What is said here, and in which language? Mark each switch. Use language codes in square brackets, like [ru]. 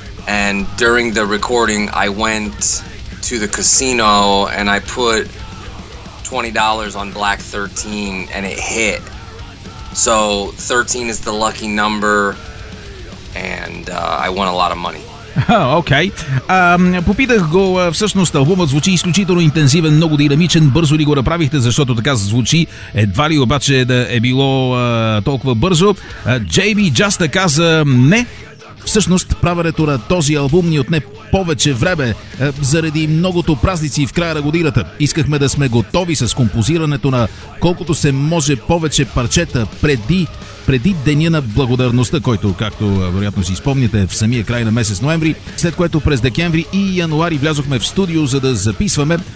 [en] And during the recording, I went to the casino and I put $20 on black 13, and it hit. So 13 is the lucky number, and I won a lot of money. [bg] Окей. Попитах го, всъщност албумът звучи изключително интензивен, много динамичен, бързо ли го направихте, защото така звучи, едва ли обаче да е било толкова бързо. JB Just каза не. Всъщност правенето на този албум ни отне повече време заради многото празници в края на годината. Искахме да сме готови с композирането на колкото се може повече парчета преди Деня на Благодарността, който, както вероятно си спомняте, е в самия край на месец ноември, след което през декември и януари влязохме в студио, за да записваме.